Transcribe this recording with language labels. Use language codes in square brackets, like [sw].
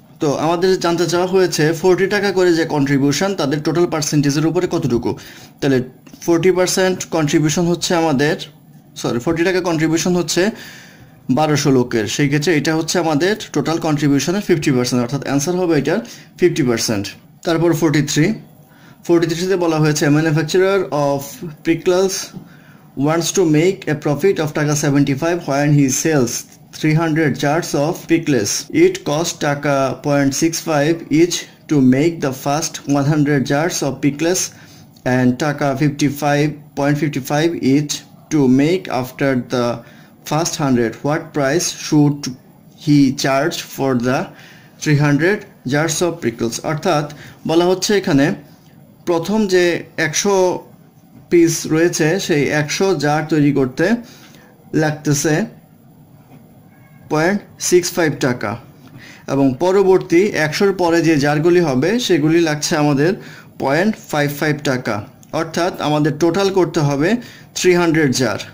[bn] তো আমাদের জানতে চাওয়া হয়েছে 40 টাকা করে যে কন্ট্রিবিউশন তাদের টোটাল পার্সেন্টেজের উপরে কতটুকু। তাহলে 40% কন্ট্রিবিউশন হচ্ছে আমাদের, সরি, 40 টাকা কন্ট্রিবিউশন হচ্ছে 1200 লোকের, সেই ক্ষেত্রে এটা হচ্ছে আমাদের টোটাল কন্ট্রিবিউশনের 50%, অর্থাৎ অ্যান্সার হবে এটার 50%। তারপর 43-তে বলা হয়েছে [en] Manufacturer of pickles wants to make a profit of taka 75 when he sells 300 jars of pickles. It cost taka 0.65 each to make the first 100 jars of pickles and taka 55.55 each to make after the first 100. What price should he charge for the 300 jars of pickles? [bn] অর্থাৎ বলা হচ্ছে এখানে প্রথম যে 100 piece রয়েছে সেই 100 jar তৈরি করতে লাগতেছে 0.65 টাকা, এবং পরবর্তী 100 পরে যে জারগুলি হবে সেগুলি লাগছে আমাদের 0.55 টাকা, অর্থাৎ আমাদের টোটাল করতে হবে 300 জার।